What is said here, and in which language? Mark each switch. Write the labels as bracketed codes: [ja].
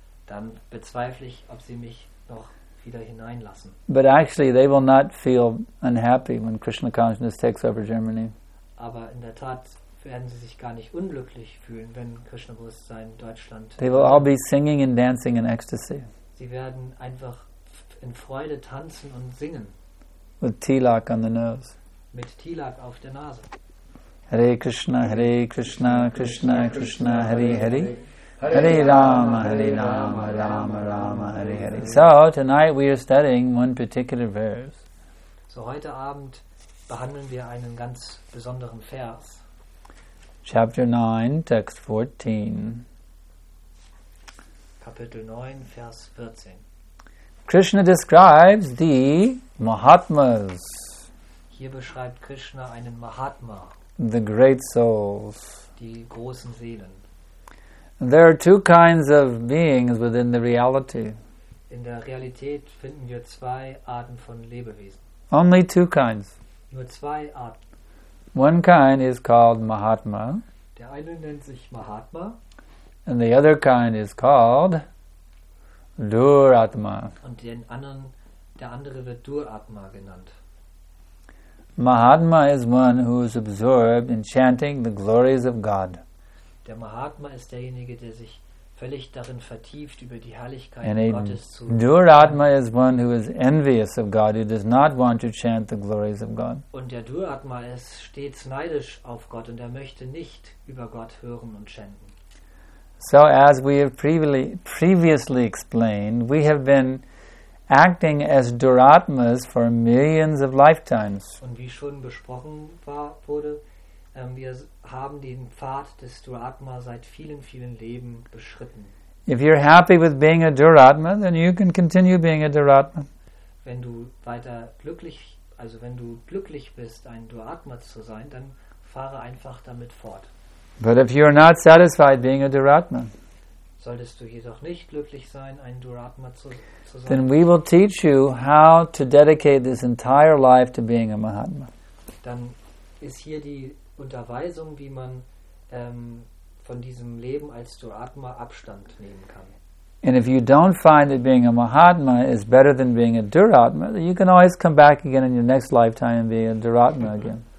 [de] Dann bezweifle ich, ob sie mich noch wieder hineinlassen. [en] But actually they will not feel unhappy when Krishna consciousness takes over Germany. [de] Aber in der Tat werden sie sich gar nicht unglücklich fühlen, wenn Krishna Bewusstsein Deutschland. [en] They will all be singing and dancing in ecstasy. [de] Sie werden einfach in Freude tanzen und singen. [en] With Tilak on the nose. [de] Mit Tilak auf der Nase. [sa] Hare Krishna, Hare Krishna, Krishna Krishna, Hare Hare. Hare Rama, Hare Rama, Rama Rama, Hare Hare. [en] So, tonight we are studying one particular verse. [de] So, heute Abend behandeln wir einen ganz besonderen Vers. [en] Chapter 9, Text 14. [de] Kapitel 9, Vers 14. [en] Krishna describes the Mahatmas. [de] Hier beschreibt Krishna einen Mahatma. [en] The great souls. [de] Die großen Seelen. [en] There are two kinds of beings within the reality. [de] In der Realität finden wir zwei Arten von Lebewesen. [en] Only two kinds. [de] Nur zwei Arten. [en] One kind is called Mahatma. [de] Der eine nennt sich Mahatma. [en] And the other kind is called Duratma. [de] Und der andere wird Duratma genannt. [en] Mahatma is one who is absorbed in chanting the glories of God. [de] Der Mahatma ist derjenige, der sich völlig darin vertieft, über die Herrlichkeiten Gottes zu singen. [en] Duratma is one who is envious of God, who does not want to chant the glories of God. [de] Und der Duratma ist stets neidisch auf Gott und er möchte nicht über Gott hören und chanten. [en] So as we have previously explained, we have been acting as Duratmas for millions of lifetimes. [de] Und wie schon besprochen wurde, wir haben den Pfad des Duratma seit vielen, vielen Leben beschritten. [en] If you're happy with being a Duratma, then you can continue being a Duratma. [de] Wenn du weiter glücklich, also wenn du glücklich bist, ein Duratma zu sein, dann fahre einfach damit fort. [en] But if you're not satisfied being a Duratma, [de] solltest du jedoch nicht glücklich sein, ein Duratma zu sein, [en] then we will teach you how to dedicate this entire life to being a Mahatma. [de] Dann ist hier die Unterweisung, wie man von diesem Leben als Duratma Abstand nehmen kann. [en] And if you don't find that being a Mahatma is better than being a Duratma, then you can always come back again in your next lifetime and be a Duratma again.